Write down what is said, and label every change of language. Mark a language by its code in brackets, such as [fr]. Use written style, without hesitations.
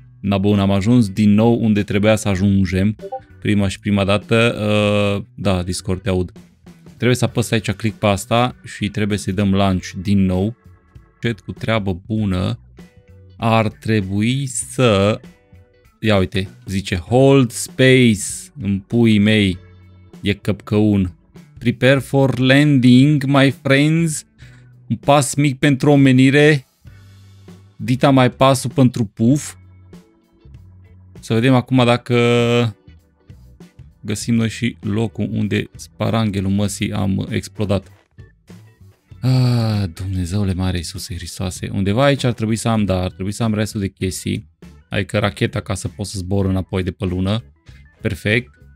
[ro] Na bun, am ajuns din nou unde trebuia să ajungem prima dată, da, Discord te aud. Trebuie să apăs aici click pe asta și trebuie să-i dăm launch din nou. Cred cu treabă bună ar trebui să... Ia uite, zice hold space în puii mei. E căpcăun. [en] Prepare for landing, my friends. [ro] Un pas mic pentru omenire. Dita mai pasul pentru puf. Să vedem acum dacă... găsim noi și locul unde sparanghelul măsii am explodat. Ah, Dumnezeule mare Iisuse Hristoase, undeva aici ar trebui să am, da, ar trebui să am restul de chestii, adică racheta ca să pot să zbor înapoi de pe lună, perfect.